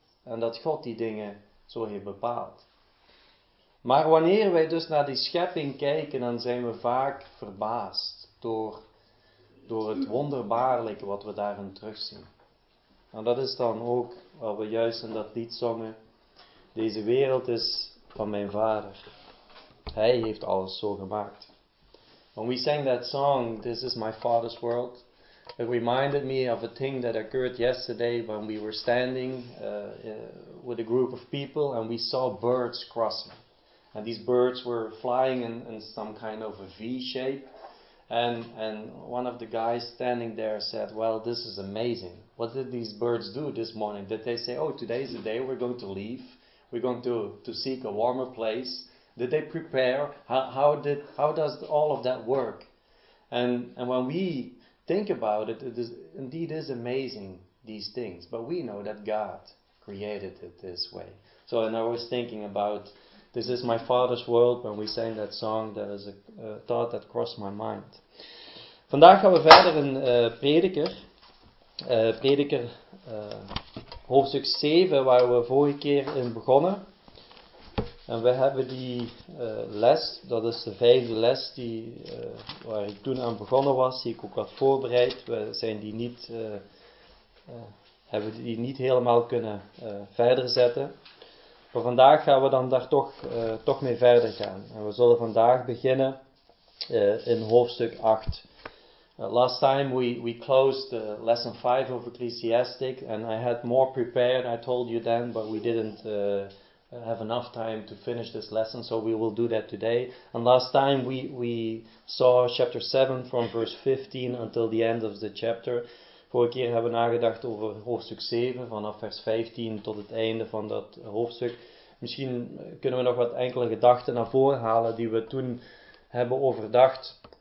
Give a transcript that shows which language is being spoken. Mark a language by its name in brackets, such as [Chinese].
[Dutch] En dat God die dingen zo heeft bepaald. Maar wanneer wij dus naar die schepping kijken, dan zijn we vaak verbaasd door het wonderbaarlijke wat we daarin terugzien. En dat is dan ook wat we juist in dat lied zongen. Deze wereld is van mijn vader. Hij heeft alles zo gemaakt. [English] When we sang that song, "This is my father's world," it reminded me of a thing that occurred yesterday when we were standing with a group of people and we saw birds crossing. And these birds were flying in some kind of a V shape. And one of the guys standing there said, "Well, this is amazing. What did these birds do this morning? Did they say, 'Oh, today is the day we're going to leave. We're going to seek a warmer place.' Did they prepare? How does all of that work?" And when we think about it, it is indeed is amazing, these things. But we know that God created it this way. So, and I was thinking about, "This is my father's world," when we sang that song, that is a thought that crossed my mind. [Dutch] Vandaag gaan we verder in Prediker. Prediker hoofdstuk 7, waar we vorige keer in begonnen. En we hebben die les, dat is de vijfde les die, waar ik toen aan begonnen was, die ik ook had voorbereid. We zijn die niet, hebben die niet helemaal kunnen verder zetten. Maar vandaag gaan we dan daar toch mee verder gaan. En we zullen vandaag beginnen in hoofdstuk 8. [English] Last time we closed lesson 5 of Ecclesiastes. And I had more prepared, I told you then, but we didn't have enough time to finish this lesson. So we will do that today. And last time we saw chapter 7 from verse 15 until the end of the chapter. [Dutch] Vorige keer hebben we nagedacht over hoofdstuk 7, vanaf vers 15 tot het einde van dat hoofdstuk. Misschien kunnen we nog wat enkele gedachten naar voren halen die we toen hebben overdacht.